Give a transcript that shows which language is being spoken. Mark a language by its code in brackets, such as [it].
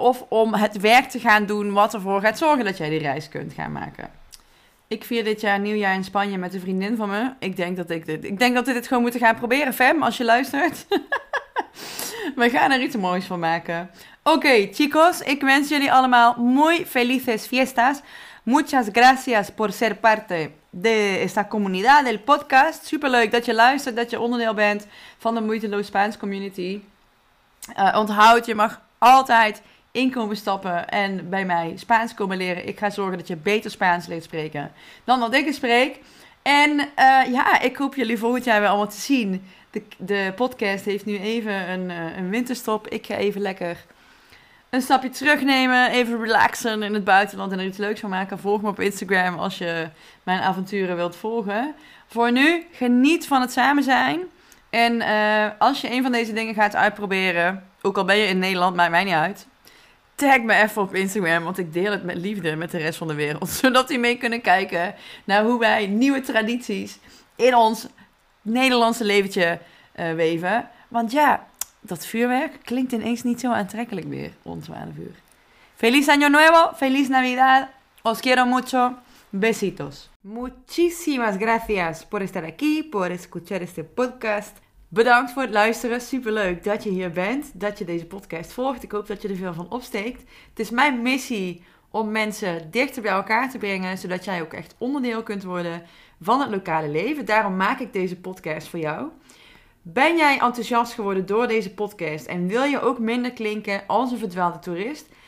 [nl] Of om het werk te gaan doen wat ervoor gaat zorgen dat jij die reis kunt gaan maken. Ik vier dit jaar nieuwjaar in Spanje met een vriendin van me. Ik denk dat we dit gewoon moeten gaan proberen, Fem, als je luistert. We gaan er iets moois van maken. Oké, chicos, ik wens jullie allemaal [es] muy felices fiestas. Muchas gracias por ser parte de esta comunidad del podcast. [nl] Superleuk dat je luistert, dat je onderdeel bent van de Moeiteloos Spaans community. Onthoud, je mag altijd inkomen stappen en bij mij Spaans komen leren. Ik ga zorgen dat je beter Spaans leert spreken dan dat ik het spreek. En ik hoop jullie volgend jaar weer allemaal te zien. De podcast heeft nu even een winterstop. Ik ga even lekker een stapje terugnemen, even relaxen in het buitenland en er iets leuks van maken. Volg me op Instagram als je mijn avonturen wilt volgen. Voor nu, geniet van het samen zijn. En als je een van deze dingen gaat uitproberen, ook al ben je in Nederland, maakt mij niet uit, Tag me even op Instagram, want ik deel het met liefde met de rest van de wereld. Zodat die mee kunnen kijken naar hoe wij nieuwe tradities in ons Nederlandse leventje weven. Want ja, dat vuurwerk klinkt ineens niet zo aantrekkelijk meer rond 12 uur. [es] Feliz Año Nuevo, Feliz Navidad, os quiero mucho, besitos. Muchísimas gracias por estar aquí, por escuchar este podcast. [nl] Bedankt voor het luisteren, superleuk dat je hier bent, dat je deze podcast volgt. Ik hoop dat je er veel van opsteekt. Het is mijn missie om mensen dichter bij elkaar te brengen, zodat jij ook echt onderdeel kunt worden van het lokale leven. Daarom maak ik deze podcast voor jou. Ben jij enthousiast geworden door deze podcast en wil je ook minder klinken als een verdwaalde toerist?